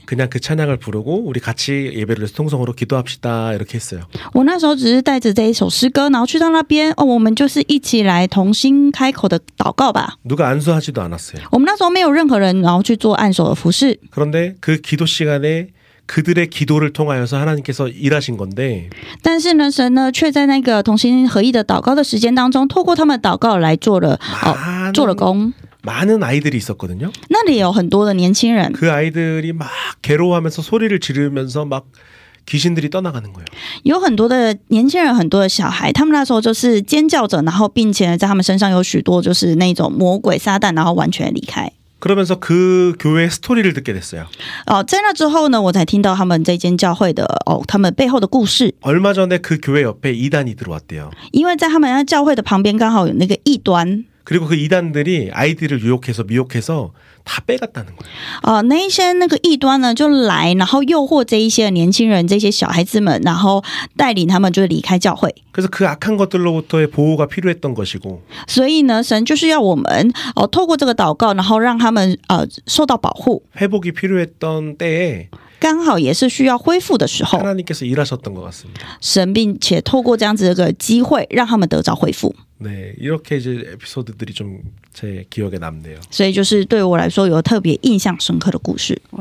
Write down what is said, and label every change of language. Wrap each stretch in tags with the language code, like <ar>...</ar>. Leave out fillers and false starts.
<ko>그냥 그 찬양을 부르고 우리 같이 예배를 위해서 통성으로 기도합시다 이렇게 했어요</ko> <zh>我那时候只是带着这一首诗歌然后去到那边我们就是一起来同心开口的祷告吧</zh> <ko>누가 안수하지도 않았어요</ko> <zh>我们那时候没有任何人然后去做按手的服饰</zh> <ko>그런데 그 기도 시간에 그들의 기도를 통하여서 하나님께서 일하신 건데</ko> <zh>但是呢神呢却在那个同心合意的祷告的时间当中透过他们祷告来做了做了工</zh> <ko>많은 아이들이 있었거든요</ko> <zh>那里有很多的年轻人</zh> <ko>그 아이들이 막 괴로워하면서 소리를 지르면서 막 귀신들이 떠나가는 거예요</ko> <zh>有很多的年轻人很多的小孩他们那时候就是尖叫着然后并且在他们身上有许多就是那种魔鬼撒旦然后完全离开</zh> <ko>그러면서 그 교회 스토리를 듣게 됐어요.</ko> <zh>在那之后呢我才听到他们这间教会的哦他们背后的故事</zh> <ko>얼마 전에 그 교회 옆에 이단이 들어왔대요.</ko> <zh>因为在他们教会的旁边刚好有那个异端</zh> <ko>그리고 그 이단들이 아이들을 유혹해서 미혹해서 다 빼갔다는 거예요.</ko> <zh>那一些那个异端呢就来然后诱惑这一些年轻人这些小孩子们然后带领他们就离开教会</zh> <ko>그래서 그 악한 것들로부터의 보호가 필요했던 것이고.</ko> <zh>所以呢神就是要我们透过这个祷告然后让他们受到保护</zh> <ko>회복이 필요했던 때에.</ko> <zh>刚好也是需要恢复的时候</zh> <ko>하나님께서 일하셨던 것 같습니다.</ko> <zh>神并且透过这样子的机会让他们得着恢复</zh> <ko>네, 이렇게 이제 에피소드들이 좀 제 기억에 남네요.</ko> <zh>所以就是对我来说有特别印象深刻的故事.</zh>